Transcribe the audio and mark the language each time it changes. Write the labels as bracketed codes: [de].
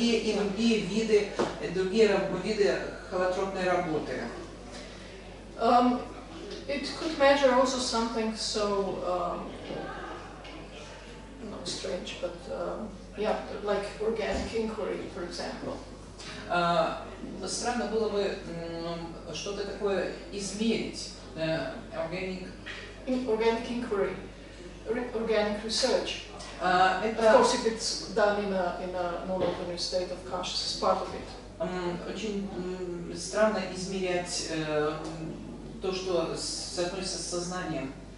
[ru] И другие виды холотропной работы. [en] It could measure also something so not strange, but yeah, like organic inquiry, for example. [ru] Странно было бы что-то такое измерить. [en] Organic inquiry, organic research. Of course, if it's done in a non-ordinary state of consciousness, part of it. [ru] Очень странно измерять то, что соотносится с сознанием.